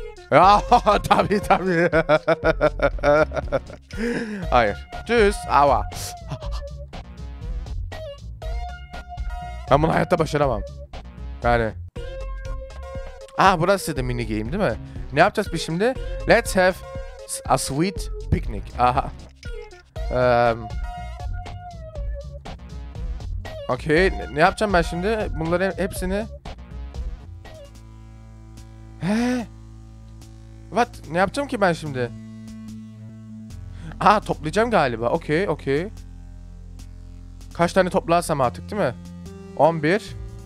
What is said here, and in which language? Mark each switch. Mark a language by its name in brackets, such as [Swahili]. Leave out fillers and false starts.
[Turkish] Ya tabii. Hayır. Tschüss. Ava. Ben bunu hayatta başaramam. Yani. Burası da mini game değil mi? Ne yapacağız biz şimdi? [English] Let's have a sweet picnic. Aha. [Turkish] Okay, ne yapacağım ben şimdi? Bunların hepsini. [English] What? [Turkish] Ne yapacağım ki ben şimdi? Toplayacağım galiba. Okay. Kaç tane toplarsam artık, değil mi? 11.